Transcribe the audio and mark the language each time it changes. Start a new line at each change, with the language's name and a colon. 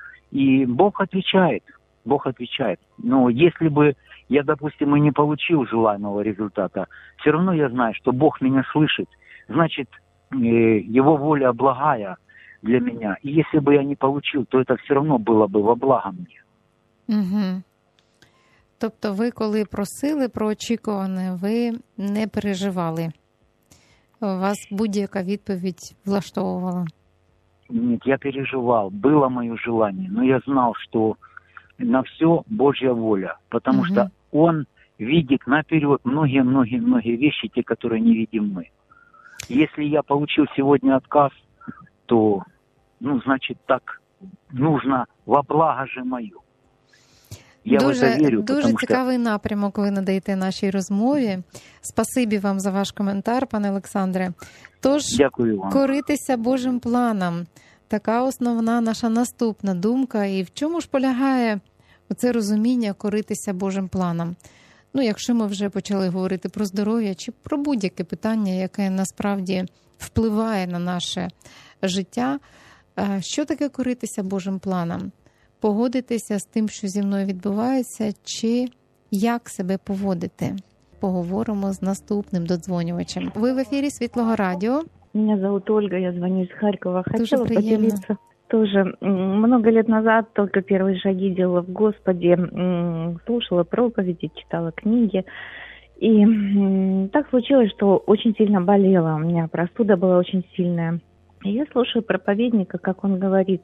Russian: И Бог отвечает, Бог отвечает. Но если бы я, допустим, и не получил желаемого результата, все равно я знаю, что Бог меня слышит. Значит, Его воля благая для меня. И если бы я не получил, то это все равно было бы во благо мне. Угу.
Ukrainian: Тобто ви, коли просили про очікуване, ви не переживали? Вас будь-яка відповідь влаштовувала?
Russian: Нет, я переживал. Было мое желание. Но я знал, что на все Божья воля. Потому угу. что Он видит наперед многие-многие-многие вещи, те, которые не видим мы. Если я получил сегодня отказ, то, ну, значит, так нужно во благо же мое.
Ukrainian: Я дуже,
Russian: в это верю.
Ukrainian: Дуже цікавий що... напрямок ви надаєте нашій розмові. Спасибі вам за ваш коментар, пане Олександре. Тож, дякую вам. Коритися Божим планом. Така основна наша наступна думка. І в чому ж полягає оце розуміння коритися Божим планом? Ну, якщо ми вже почали говорити про здоров'я, чи про будь-яке питання, яке насправді впливає на наше життя, що таке коритися Божим планом? Погодитися з тим, що зі мною відбувається, чи як себе поводити? Поговоримо з наступним додзвонювачем. Ви в ефірі Світлого Радіо. Мене звати Ольга, я дзвоню з Харкова. Дуже приємно.
Russian: Тоже много лет назад только первые шаги делала в Господе, слушала проповеди, читала книги. И так случилось, что очень сильно болела. У меня простуда была очень сильная. И я слушаю проповедника, как он говорит.